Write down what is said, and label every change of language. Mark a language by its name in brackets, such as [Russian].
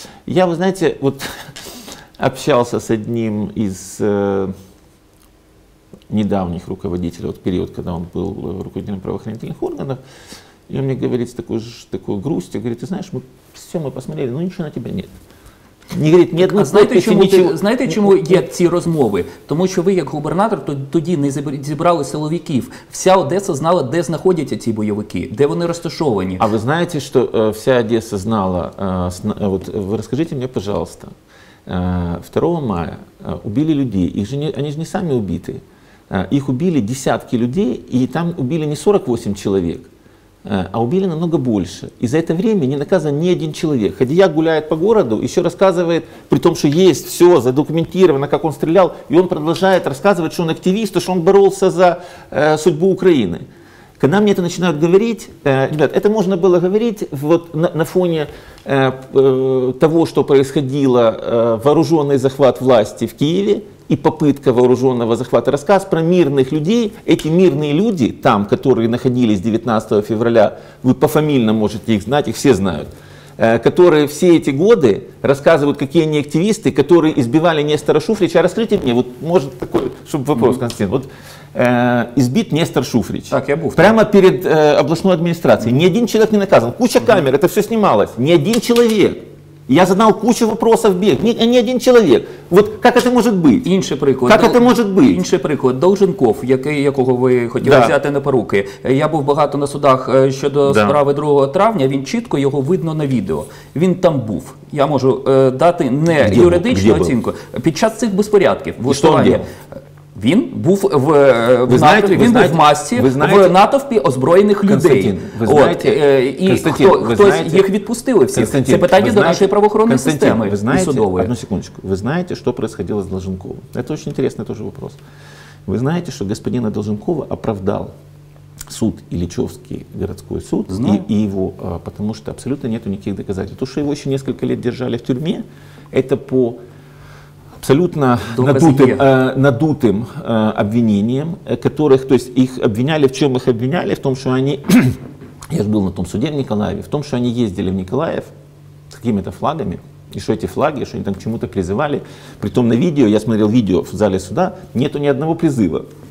[Russian] Я, вы знаете, вот общался с одним из недавних руководителей, вот период, когда он был руководителем правоохранительных органов, и он мне говорит с такой грустью, говорит, ты знаешь, мы все мы посмотрели, но ничего на тебя нет. Не говорит, [Ukrainian] ні одного. Знаєте, чому є ці розмови? Тому що ви, як губернатор, тоді не зібрали силовиків. Вся Одеса знала, де знаходяться ці бойовики, де вони розташовані. А ви знаєте, що вся Одеса знала? От ви розкажіть мені, пожалуйста, 2 мая убили людей. Вони ж не самі убиті. Їх убили десятки людей, і там убили не 48 чоловік. [Russian] А убили намного больше. И за это время не наказан ни один человек. Хадия гуляет по городу, еще рассказывает, при том, что есть все задокументировано, как он стрелял, и он продолжает рассказывать, что он активист, что он боролся за судьбу Украины. Когда мне это начинают говорить, ребят, это можно было говорить вот на фоне того, что происходило, вооруженный захват власти в Киеве и попытка вооруженного захвата. Рассказ про мирных людей. Эти мирные люди там, которые находились 19 февраля, вы пофамильно можете их знать, их все знают, которые все эти годы рассказывают, какие они активисты, которые избивали Нестора Шуфрича. Расскажите мне, вот может такой, чтобы вопрос, Константин. Вот избит Нестор Шуфрич. Так, я был. Прямо перед областной администрацией. Ни один человек не наказан. Куча камер, это все снималось. Ни один человек. Я задал кучу вопросов бег. Ни один человек. Вот как это может быть? [Ukrainian] Інший приклад. [Russian] Как это может быть? [Ukrainian] Інший приклад. Долженков, якого ви хотіли взяти на поруки. Я був багато на судах щодо справи 2 травня. Він чітко, його видно на відео. Він там був. Я можу дати не юридичну оцінку. Під час цих безпорядків. І що він діяв? Він був в масці, в натовпі озброєних людей. Константин, ви знаєте? І хтось їх відпустили всі. Це питання до нашої правоохоронної системи і судової. Одну секундочку. Ви знаєте, що відбувалося з Долженковим? Це дуже цікавий теж питання. Ви знаєте, що господина Долженкова оправдав суд і Ильичевський городський суд? Знаю. Тому що абсолютно немає ніяких доказательств. Те, що його ще кілька років тримали в тюрмі, це по... [Russian] Абсолютно надутым обвинением, которых, то есть их обвиняли, в чем их обвиняли, в том, что они, я же был на том суде в Николаеве, в том, что они ездили в Николаев с какими-то флагами, И что эти флаги, что они там к чему-то призывали. Притом на видео, я смотрел видео в зале суда, нету ни одного призыва.